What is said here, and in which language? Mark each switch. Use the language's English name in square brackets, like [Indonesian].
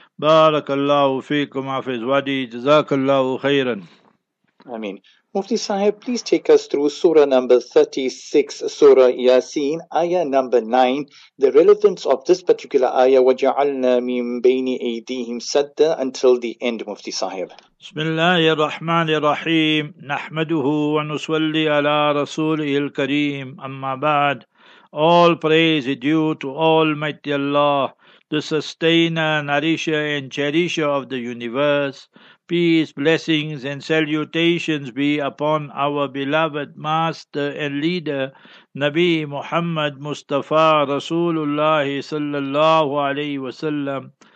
[Arabic] Barakallahu feekum afiz wadi. Jazakallahu khairan. [English] Ameen. Mufti Sahib, please take us through Surah number 36, Surah Yasin, Ayah number 9. The relevance of this particular ayah, [Arabic] وَجَعَلْنَا مِن بَيْنِ أَيْدِيهِمْ سَدًّا, [English] until the end, Mufti Sahib. [Arabic] بسم الله الرحمن الرحيم نحمده ونصلي على رسوله الكريم أما بعد. [English] All praise is due to Almighty Allah, the sustainer, nourisher, and cherisher of the universe. Peace, blessings, and salutations be upon our beloved master and leader, Nabi Muhammad Mustafa Rasulullah sallallahu alayhi wa sallam.